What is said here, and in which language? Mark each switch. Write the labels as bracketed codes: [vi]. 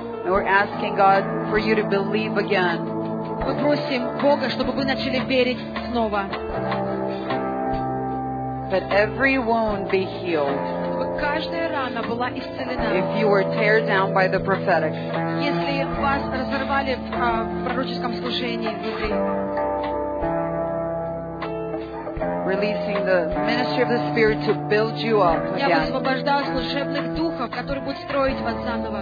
[en] We're asking God for you to believe again. [ru] Мы просим Бога, чтобы вы начали верить снова. [en] But every wound be healed. [ru] Чтобы каждая рана была исцелена. [en] If you were tear down by the prophetic. [ru] Если вас разорвали в пророческом служении внутри. [en] Releasing the ministry of the Spirit to build you up again. [ru] Я высвобождаю служебных духов, которые будут строить вас заново.